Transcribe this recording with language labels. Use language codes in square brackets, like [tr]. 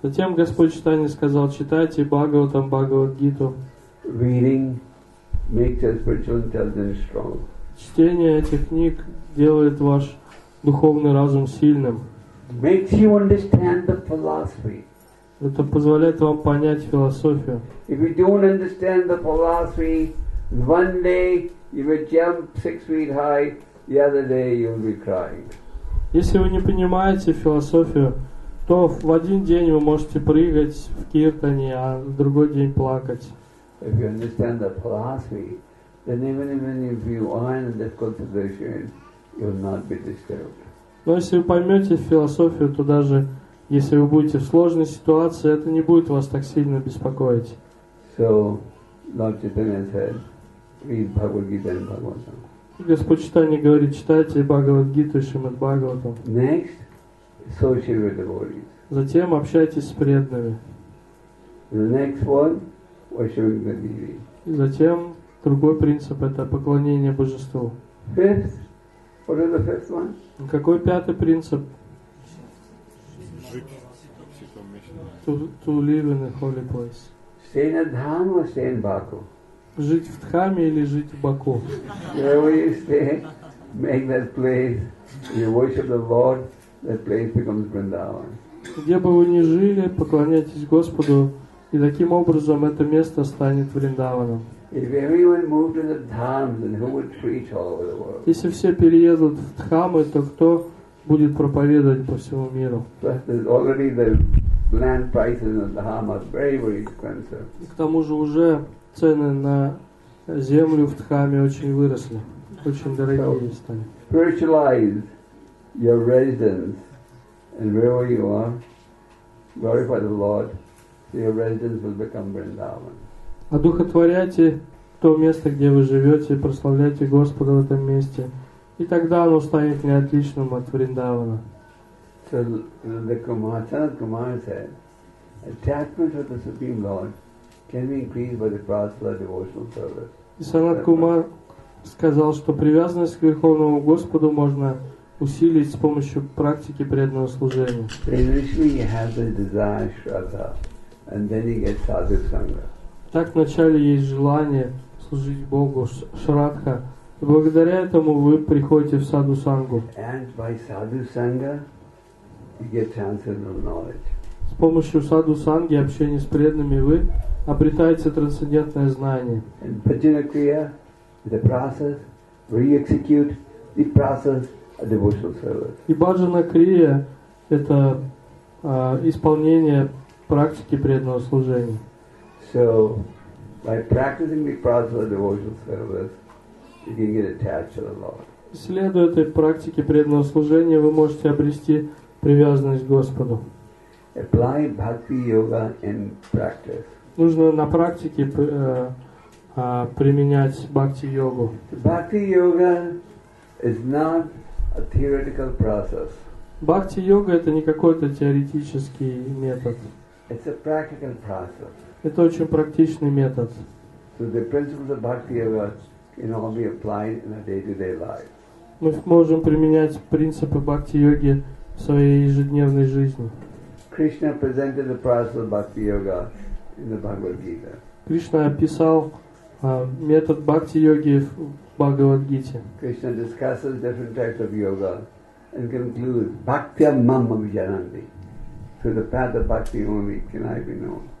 [ru] Затем Господь Чайтанья сказал, читайте Бхагаватам, Бхагавад Гиту. [en] Reading makes your spiritual intelligence strong. [ru] Чтение этих книг делает ваш духовный разум сильным. [en] Makes you understand the philosophy. [ru] Это позволяет вам понять философию. [en] If you don't understand the philosophy, one day you will jump 6 feet high, the other day you will be crying. [ru] Если вы не понимаете философию, то в один день вы можете прыгать в киртане, а в другой день плакать. [en] If you understand the philosophy, then even if you are in a difficult situation, you will not be disturbed. [ru] Но если вы поймете философию, то даже если вы будете в сложной ситуации, это не будет вас так сильно беспокоить. [en] So, Lord Chaitanya said, read Bhagavad Gita and Bhagavatam. [ru] Господь Чайтанья говорит, читайте Бхагавад Гиту и Шримад Бхагаватам. [en] Next, associate with devotees. [ru] Затем общайтесь с преданными. [en] The next one, worshiping the deity. [ru] И затем другой принцип – это поклонение Божеству. [en] Fifth, what is the fifth one? [ru] Какой пятый принцип? [en] To live in a holy place. Stay in a dham or stay in Baku? [ru] Жить в Дхаме или жить в Баку. [en] Wherever you stay, make that place. You worship the Lord, that place becomes Vrindavan. [ru] Где бы вы ни жили, поклоняйтесь Господу, и таким образом это место станет Вриндаваном. [en] If everyone moved to the Dham, then who would preach all over the world? [ru] Если все переедут в Дхамы, то кто будет проповедовать по всему миру? [en] Already the land prices in the Dham are very, very expensive. [ru] К тому же уже цены на землю в Дхаме очень выросли, очень дорогие стали. [en] Spiritualize your residence, and wherever you are, glorify the Lord, so your residence will become Vrindavan. [ru] Одухотворяйте то место, где вы живете, прославляйте Господа в этом месте, и тогда оно станет неотличным от Вриндавана. [en] So the Kumar said, attachment with the Supreme Lord can be increased by the process of devotional service. [ru] Санат Кумар сказал, что привязанность к Верховному Господу можно усилить с помощью практики преданного служения. [en] Initially you have the desire, shraddha, and then you get sadhu sangha. [ru] Так вначале есть желание служить Богу, шрадха. Благодаря этому вы приходите в саду сангу. [en] And by sadhu sangha, you get transcendental knowledge. [ru] С помощью саду санги, общения с преданными, вы обретаете трансцендентное знание. [en] And Bhajana Kriya, the process, re-execute the process devotional service. [ru] И баджана крия это исполнение практики преданного служения. [en] So by practicing vipassana devotional service, you can get attached to the Lord. [ru] Следуя этой практике преданного служения, вы можете обрести привязанность к Господу. [en] Apply bhakti yoga in practice. [ru] Нужно на практике применять бхакти йогу. [en] Bhakti yoga is not a theoretical process. [ru] Бхакти йога это не какой-то теоретический метод. [en] It's a practical process. [ru] Это очень практичный метод. [en] So the principles of bhakti yoga can all be applied in our day-to-day life. [ru] Мы можем применять принципы бхакти йоги в своей ежедневной жизни. [en] Krishna presented the process of bhakti yoga in the Bhagavad Gita. [ru] Krishna описал метод бхакти йоги в Бхагавад Гите. [en] Krishna discusses different types of yoga and concludes [sa] bhaktyam mam vijananti. [en] Through the path of bhakti only can I be known.